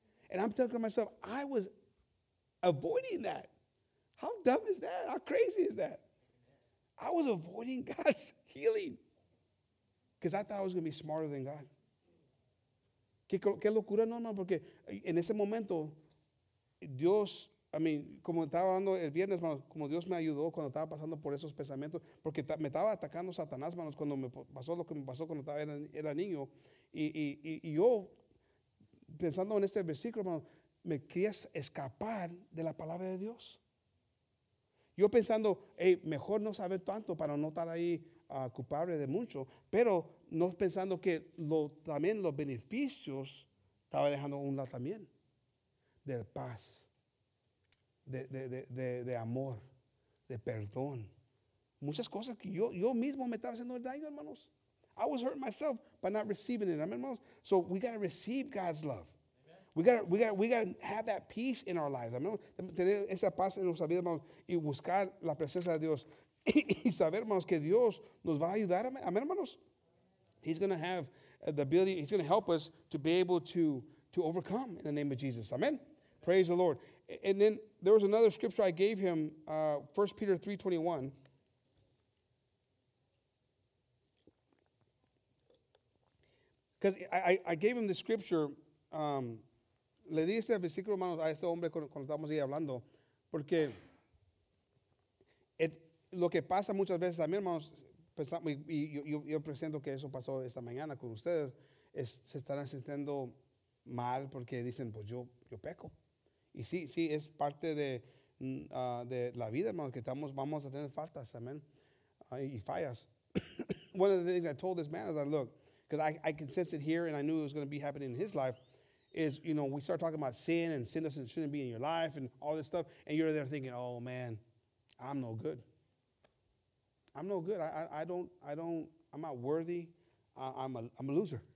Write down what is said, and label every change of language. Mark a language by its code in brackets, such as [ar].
[en] And I'm telling myself, I was avoiding that. How dumb is that? How crazy is that? I was avoiding God's healing because I thought I was going to be smarter than God. [es] Qué locura, no, porque en ese momento, Dios, como estaba hablando el viernes, manos, como Dios me ayudó cuando estaba pasando por esos pensamientos, porque me estaba atacando Satanás, manos, cuando me pasó lo que me pasó cuando estaba era niño, y yo, pensando en este versículo, manos, me quería escapar de la palabra de Dios. Yo pensando, hey, mejor no saber tanto para no estar ahí culpable de mucho, pero no pensando que también los beneficios estaba dejando a un lado también, de paz, de amor, de perdón. Muchas cosas que yo mismo me estaba haciendo daño, hermanos. [en] I was hurting myself by not receiving it. Amen, hermanos. So we got to receive God's love. We gotta have that peace in our lives. [es] Tener esa paz en nuestra vida, hermanos, y buscar la presencia de Dios. Y saber, hermanos, que Dios nos va a ayudar. Amén, hermanos. [en] He's going to have the ability, he's going to help us to be able to overcome in the name of Jesus. Amen. Praise the Lord. And then there was another scripture I gave him, 1 Peter 3:21. Because I gave him the scripture, [es] le di este versículo, hermanos, a este hombre cuando estábamos ahí hablando, porque lo que pasa muchas veces también, hermanos, pensamos, y yo presento que eso pasó esta mañana con ustedes, se están sintiendo mal porque dicen, pues yo peco. Y sí, es parte de la vida, hermanos, que vamos a tener faltas, amén, y fallas. [en] One of the things I told this man is that, look, because I can sense it here and I knew it was going to be happening in his life, is, you know, we start talking about sin and sin doesn't shouldn't be in your life and all this stuff, and you're there thinking, oh man, I'm no good. I'm no good. I don't. I'm not worthy. I'm a loser.